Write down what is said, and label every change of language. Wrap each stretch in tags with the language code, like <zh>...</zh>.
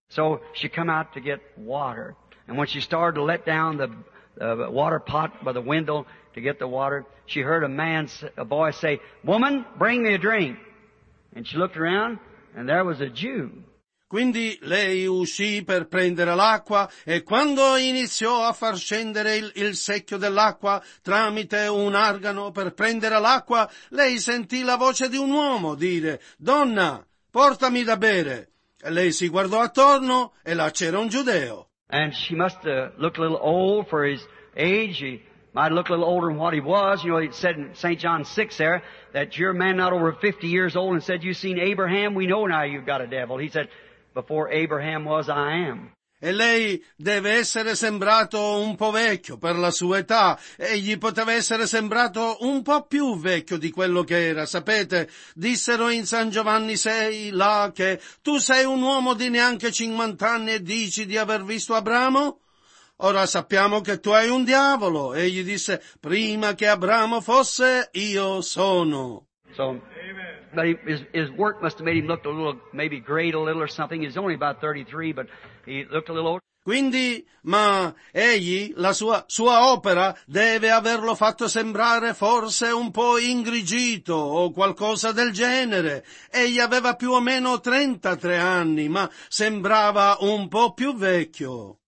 <en>So she came out to get water, and when she started to let down the water pot by the window to get the water, she heard a boy say, "Woman, bring me a drink." And she looked around, and there was a Jew.</en> <it>Quindi lei uscì per prendere l'acqua, e quando iniziò a far scendere il secchio dell'acqua tramite un argano per prendere l'acqua, lei sentì la voce di un uomo dire, "Donna, portami da bere." E lei si guardò attorno, e là c'era un giudeo.</it> <en>And she must have looked a little old for his age. He might look a little older than what he was. You know, it said in St. John 6 there, that you're a man not over 50 years old, and said, "You've seen Abraham? We know now you've got a devil." He said, "Before Abraham was, I am."</en> <it>E lei deve essere sembrato un po' vecchio per la sua età, e gli poteva essere sembrato un po' più vecchio di quello che era, sapete? Dissero in San Giovanni 6 là che tu sei un uomo di neanche 50 anni e dici di aver visto Abramo? Ora sappiamo che tu hai un diavolo. E gli disse, prima che Abramo fosse, io sono.</it> <en>So, but his work must have made him look a little, maybe great a little or something. He's only about 33, but he looked a little old.</en> <it>Quindi, ma egli, la sua opera, deve averlo fatto sembrare forse un po' ingrigito o qualcosa del genere. Egli aveva più o meno 33 anni, ma sembrava un po' più vecchio.</it>